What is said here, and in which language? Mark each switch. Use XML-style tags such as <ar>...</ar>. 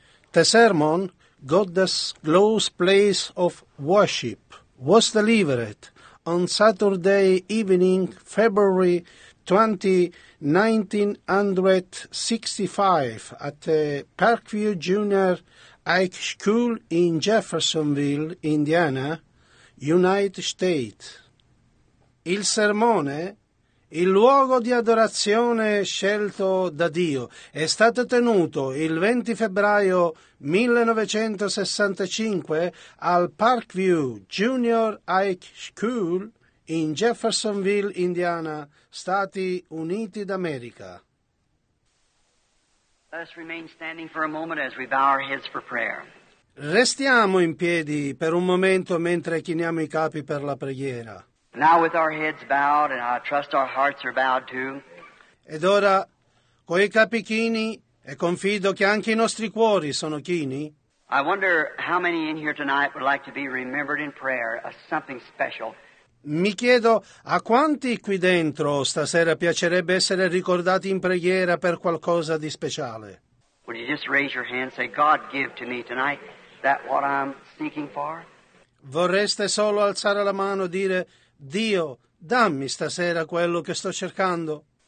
<en>The sermon, God's Glorious Place of Worship, was delivered on Saturday evening, February 20, 1965, at Parkview Junior High School in Jeffersonville, Indiana, United States.</en> <it>Il sermone, il luogo di adorazione scelto da Dio, è stato tenuto il 20 febbraio 1965 al Parkview Junior High School in Jeffersonville, Indiana, Stati Uniti d'America.</it> <en>Let us remain standing for a moment as we bow our heads for prayer.</en> <it>Restiamo in piedi per un momento mentre chiniamo i capi per la preghiera.</it> <en>Now with our heads bowed, and I trust our hearts are bowed too.</en> <it>Ed ora, coi capi chini, e confido che anche i nostri cuori sono chini.</it> <en>I wonder how many in here tonight would like to be remembered in prayer as something special.</en> <it>Mi chiedo a quanti qui dentro stasera piacerebbe essere ricordati in preghiera per qualcosa di speciale.</it> <en>Would you just raise your hand and say, God, give to me tonight that what I'm seeking for?</en> <it>Vorreste solo alzare la mano e dire, Dio, dammi stasera quello che sto cercando.</it>